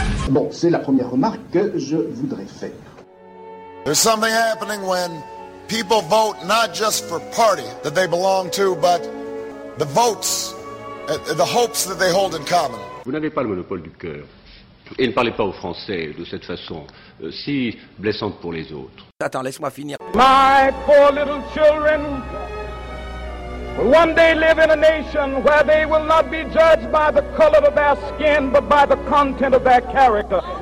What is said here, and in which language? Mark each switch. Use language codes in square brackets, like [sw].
[fr] Bon, c'est la première remarque que je voudrais faire. [en] There's something happening when people vote not just for party that they belong to, but the votes, the hopes that they hold in common. [fr] Vous n'avez pas le monopole du cœur. Et ne parlez pas aux Français de cette façon si blessante pour les autres. Attends, laisse-moi finir. [en] My poor little children will one day live in a nation where they will not be judged by the color of their skin, but by the content of their character.